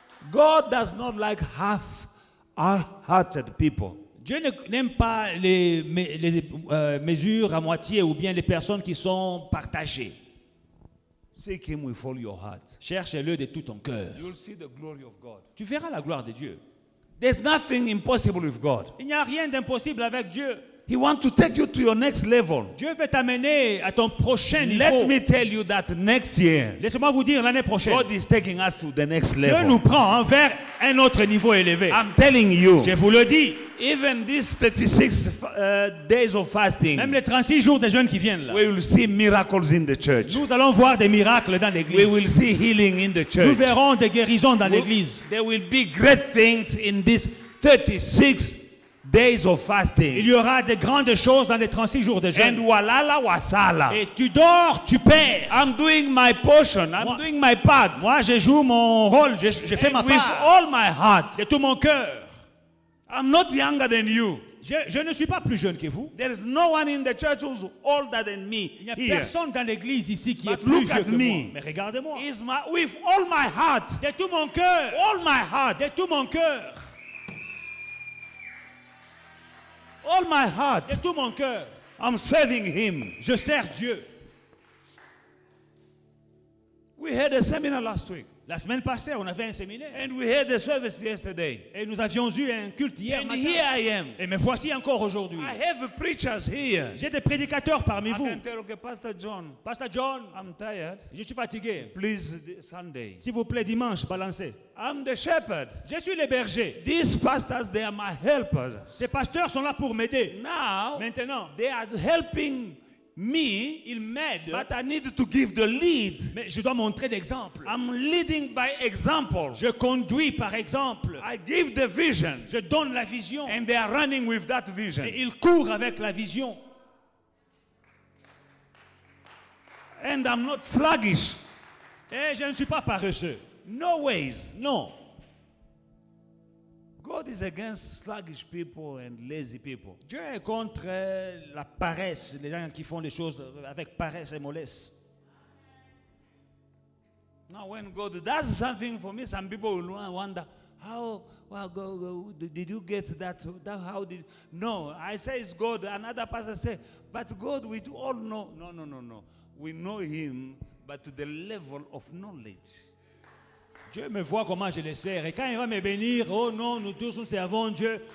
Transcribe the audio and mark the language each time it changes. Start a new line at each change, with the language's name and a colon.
English: God does not like half-hearted people.
French: Dieu n'aime pas les mesures à moitié ou bien les personnes qui sont partagées.
English: Seek him with all your heart.
French: Cherche-le de tout ton cœur.
English: You'll see the glory of God.
French: Tu verras la gloire de Dieu.
English: There's nothing impossible with God.
French: Il n'y a rien d'impossible avec Dieu.
English: He wants to take you to your next level.
French: Dieu veut t'amener à ton prochain niveau.
English: Let me tell you that next year.
French: Laissez-moi vous dire l'année prochaine.
English: God is taking us to the next level.
French: Dieu nous prend vers un autre niveau élevé.
English: I'm telling you.
French: Je vous le dis.
English: Even these 36 days of fasting.
French: Même les 36 jours de jeûne qui viennent là.
English: We will see miracles in the church.
French: Nous allons voir des miracles dans l'église.
English: We will see healing in the church.
French: Nous verrons des guérisons dans l'église.
English: There will be great things in these 36 days of fasting.
French: Il y aura de grandes choses dans les 36 jours de jeûne.
English: And walala wasala.
French: Et tu dors, tu perds.
English: I'm doing my portion. I'm doing my part.
French: Moi, je joue mon rôle. Je fais ma part.
English: With all my heart.
French: De tout mon cœur.
English: I'm not younger than you.
French: Je ne suis pas plus jeune que vous.
English: There is no one in the church who's older than me.
French: Il n'y a
English: here.
French: Personne dans l'église ici qui
English: But
French: est plus vieux Que moi. Mais regardez-moi.
English: Is my, with all my heart.
French: De tout mon cœur.
English: All my heart.
French: De tout mon cœur.
English: All my heart.
French: De tout mon cœur.
English: I'm serving him.
French: Je sers Dieu.
English: We had a seminar last week.
French: La semaine passée, on avait un séminaire.
English: And we had the service yesterday.
French: Et nous avions eu un culte hier
English: And
French: matin.
English: Here I am.
French: Et me voici encore aujourd'hui.
English: I have preachers here.
French: J'ai des prédicateurs parmi
English: I
French: vous.
English: Can tell, okay, Pastor John. Pastor John, I'm tired.
French: Je suis fatigué.
English: Please, Sunday.
French: S'il vous plaît, dimanche, balancez.
English: I'm the shepherd.
French: Je suis le berger.
English: These pastors, they are my helpers.
French: Ces pasteurs sont là pour m'aider.
English: Now,
French: maintenant,
English: they are helping me.
French: Ils m'aident.
English: But I need to give the lead.
French: Mais je dois montrer l'exemple.
English: I'm leading by example.
French: Je conduis par exemple.
English: I give the vision.
French: Je donne la vision.
English: And they are running with that vision.
French: Et ils courent avec la vision.
English: And I'm not sluggish.
French: Et je ne suis pas paresseux.
English: No ways.
French: Non.
English: God is against sluggish people and lazy people.
French: Dieu est contre la paresse, les gens qui font les choses avec paresse et mollesse.
English: Now when God does something for me, some people will wonder how well, God, did you get that how did No, I say it's God. Another person say, but God we do all know. No. We know him but to the level of knowledge.
French: Dieu me voit comment je le sers. Et quand il va me bénir, oh non, nous tous nous servons Dieu.